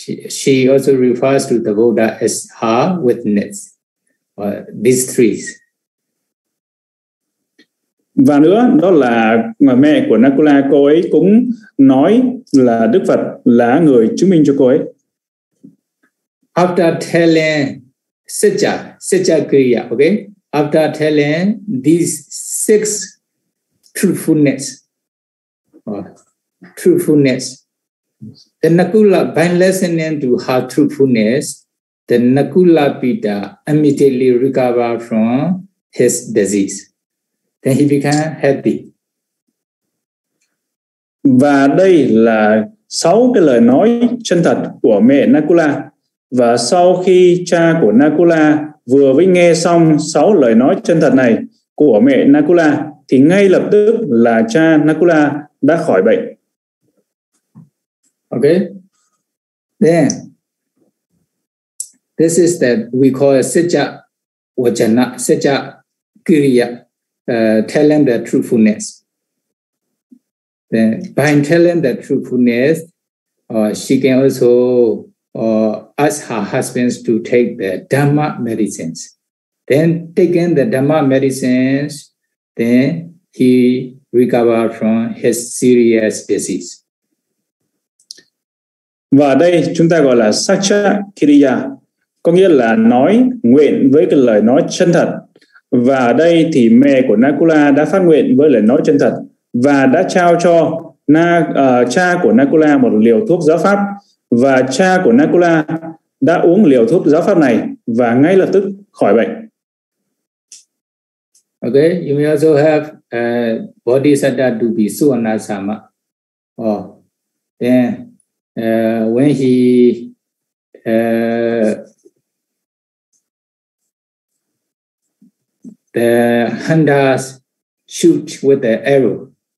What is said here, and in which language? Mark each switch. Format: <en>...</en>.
<en>She also refers to the Buddha as her witness. These three.</en> <vi>Và nữa, đó là mẹ của Nakula, cô ấy cũng nói là Đức Phật là người chứng minh cho cô ấy.</vi> <en>After telling Sacca Kriya, okay? After telling these six truthfulness, truthfulness, the Nakula, by listening to her truthfulness, the Nakula Pita immediately recovered from his disease. Then he became happy.</en> <vi>Và đây là sáu cái lời nói chân thật của mẹ Nakula. Và sau khi cha của Nakula vừa mới nghe xong sáu lời nói chân thật này của mẹ Nakula, thì ngay lập tức là cha Nakula đã khỏi bệnh.</vi> <en>Okay. Then, this is that we call a Sacca Vachana, Sacca Kriya. Telling the truthfulness. Then, by telling the truthfulness, she can also ask her husband to take the Dhamma medicines. Then, taking the Dhamma medicines, then he recovered from his serious disease.</en> <vi>Và đây chúng ta gọi là Sacca Kriya, có nghĩa là nói nguyện với cái lời nói chân thật. Và đây thì mẹ của Nakula đã phát nguyện với lời nói chân thật và đã trao cho cha của Nakula một liều thuốc giáo pháp, và cha của Nakula đã uống liều thuốc giáo pháp này và ngay lập tức khỏi bệnh.</vi> <en>Okay, you may also have Bodhisattva Dubhi Suvarnasama. Oh, then when he the hunters shoot with the arrow.</en>